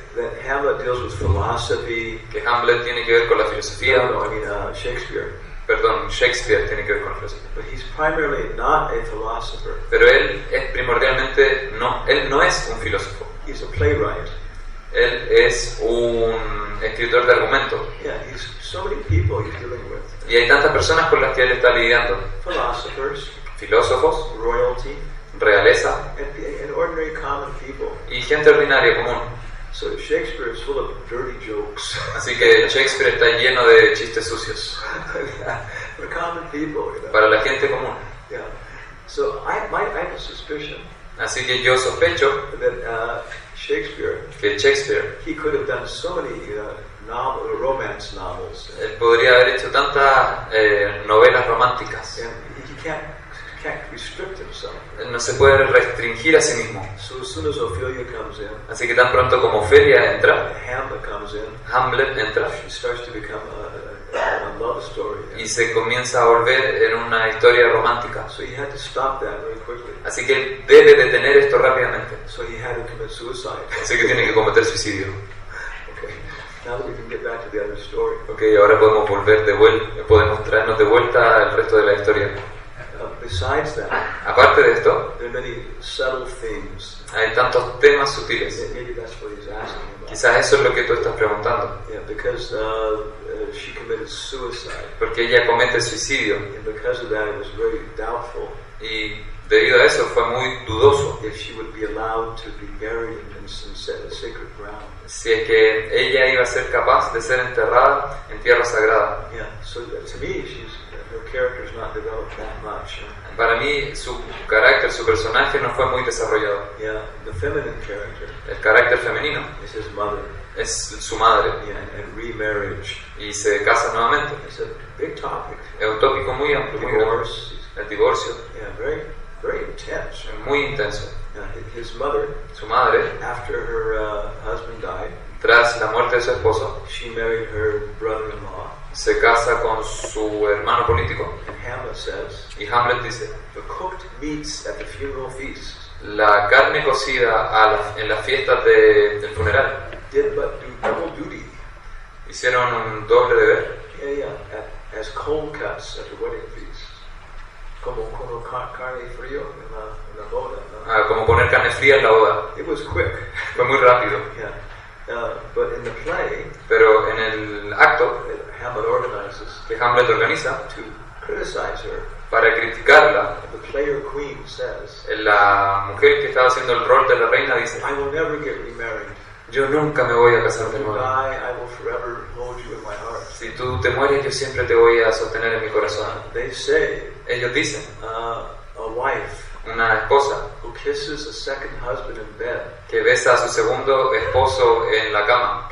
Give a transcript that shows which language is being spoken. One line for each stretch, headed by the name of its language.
English: That Hamlet deals with philosophy.
Spanish: Que Hamlet tiene que ver con la filosofía.
English: Shakespeare.
Spanish: Perdón, Shakespeare tiene que ver con la filosofía.
English: But he's primarily not a philosopher.
Spanish: Pero él es primordialmente no, él no es un filósofo.
English: He's a playwright.
Spanish: Él es un escritor de argumento.
English: Yeah, he's so many people he's dealing with.
Spanish: Y hay tantas personas con las que él está lidiando.
English: Philosophers.
Spanish: Filósofos.
English: Royalty.
Spanish: Realeza.
English: And ordinary common people.
Spanish: Y gente ordinaria común.
English: So Shakespeare is full of dirty jokes.
Spanish: Así que Shakespeare está lleno de chistes sucios.
English: For common people, you know.
Spanish: Para la gente común.
English: Yeah. So I have a suspicion.
Spanish: Así que yo sospecho
English: that Shakespeare.
Spanish: Que Shakespeare.
English: He could have done so many romance novels.
Spanish: Él podría haber hecho tantas novelas románticas.
English: And he can't restrict himself.
Spanish: Él no se puede restringir a sí mismo.
English: So as soon as Ophelia comes in,
Spanish: así que tan pronto como Ophelia entra,
English: Hamlet comes in,
Spanish: Hamlet entra,
English: she starts to become a love story,
Spanish: y se comienza a volver en una historia romántica.
English: So he had to stop that very quickly.
Spanish: Así que él debe detener esto rápidamente.
English: So he had to commit suicide.
Spanish: Así que tiene que cometer suicidio.
English: Now that we can get back to the other story.
Spanish: Okay, ahora podemos volver de vuelta, podemos traernos de vuelta al resto de la historia.
English: Besides that,
Spanish: aparte de esto,
English: there are many subtle themes.
Spanish: Hay tantos temas sutiles.
English: Maybe that's what he's asking about.
Spanish: Quizás eso es lo que tú estás preguntando.
English: Yeah, because she committed suicide.
Spanish: Porque ella comete suicidio.
English: And because of that, it was very doubtful.
Spanish: Y debido a eso fue muy dudoso.
English: If she would be allowed to be buried in some sacred ground.
Spanish: Si es que ella iba a ser capaz de ser enterrada en tierra sagrada.
English: Yeah, so to me, she's. Her character is not developed that much.
Spanish: Para mí su carácter, su personaje no fue muy desarrollado.
English: Yeah, the feminine character.
Spanish: El carácter femenino.
English: Is his mother.
Spanish: Es su madre.
English: Yeah, and remarriage.
Spanish: Y se casa nuevamente.
English: It's a big topic.
Spanish: Es un tópico muy amplio. El divorcio.
English: Yeah, very, very intense.
Spanish: Muy intenso.
English: Yeah, his mother.
Spanish: Su madre.
English: After her husband died.
Spanish: Tras la muerte de su esposo.
English: She married her brother-in-law.
Spanish: Se casa con su hermano político.
English: And Hamlet says,
Spanish: y Hamlet dice,
English: the cooked meats at the funeral feast,
Spanish: la carne cocida en las fiestas del funeral,
English: did but do double duty,
Spanish: hicieron un doble deber.
English: Yeah, yeah, as cold cuts at the wedding feast,
Spanish: como carne frío en la boda, ¿no? Como poner carne fría en la boda.
English: It was quick.
Spanish: Fue muy rápido.
English: Yeah. But in the play,
Spanish: pero en el acto,
English: Hamlet organizes,
Spanish: que Hamlet organiza,
English: to criticize her,
Spanish: para criticarla,
English: the player queen says,
Spanish: la mujer que estaba haciendo el rol de la reina dice,
English: I will never get remarried.
Spanish: Yo nunca me voy a casar de nuevo.
English: I will forever hold you in my heart.
Spanish: Si tú te mueres, yo siempre te voy a sostener en mi corazón.
English: They say,
Spanish: ellos dicen,
English: a wife,
Spanish: una esposa,
English: who kisses a second husband in bed,
Spanish: que besa a su segundo esposo en la cama,